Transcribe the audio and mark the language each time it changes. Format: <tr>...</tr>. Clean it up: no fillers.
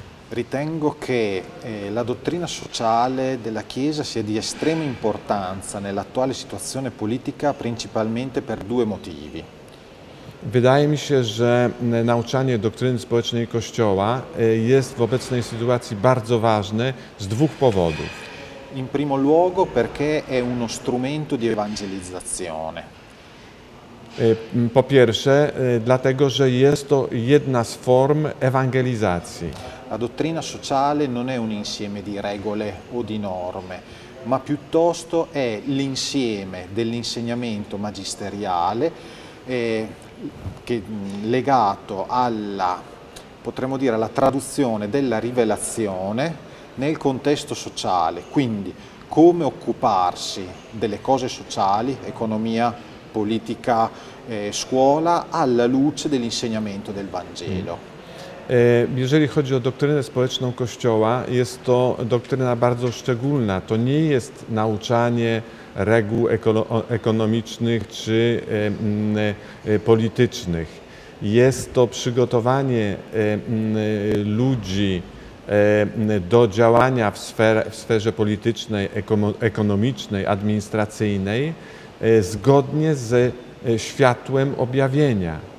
<it>Ritengo che la dottrina sociale della Chiesa sia di estrema importanza nell'attuale situazione politica, principalmente per due motivi.</it> <pl>Wydaje mi się, że nauczanie doktryny społecznej Kościoła jest w obecnej sytuacji bardzo ważne z dwóch powodów.</pl> <it>In primo luogo perché è uno strumento di evangelizzazione.</it> <pl>Po pierwsze, dlatego, że jest to jedna z form ewangelizacji.</pl> <it>La dottrina sociale non è un insieme di regole o di norme, ma piuttosto è l'insieme dell'insegnamento magisteriale che legato alla, potremmo dire, alla traduzione della rivelazione nel contesto sociale, quindi come occuparsi delle cose sociali, economia, politica, scuola, alla luce dell'insegnamento del Vangelo.</it> <pl>Jeżeli chodzi o doktrynę społeczną Kościoła, jest to doktryna bardzo szczególna. To nie jest nauczanie reguł ekonomicznych czy politycznych. Jest to przygotowanie ludzi do działania w sferze politycznej, ekonomicznej, administracyjnej zgodnie z światłem objawienia.</pl>